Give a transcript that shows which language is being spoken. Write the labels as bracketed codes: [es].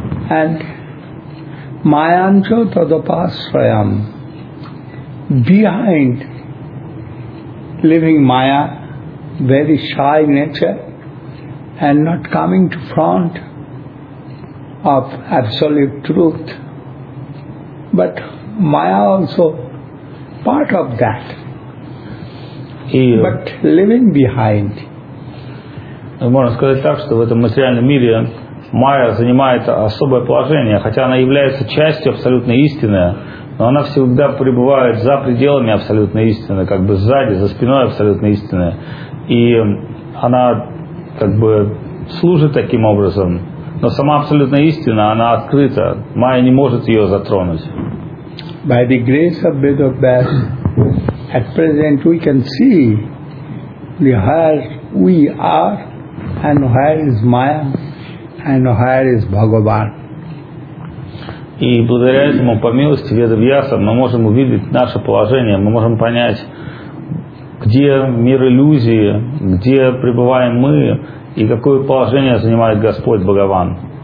[en] And mayancho tadapasrayam, behind living maya, very shy nature, and not coming to front of absolute truth, but maya also part of that. But living behind. [ru] Можно сказать так, что в этом материальном мире майя занимает особое положение, хотя она является частью абсолютной истины, но она всегда пребывает за пределами абсолютной истины, как бы сзади, за спиной абсолютной истины. И она как бы служит таким образом, но сама абсолютная истина, она открыта. Майя не может ее затронуть. [en] By the grace of Vedavyasa, At present we can see the where we are and where is Maya and where is Bhagavan. [ru] И благодаря этому, по милости Ведавьяса, мы можем увидеть наше положение, мы можем понять, где мир иллюзии, где пребываем мы и какое положение занимает Господь Бхагаван.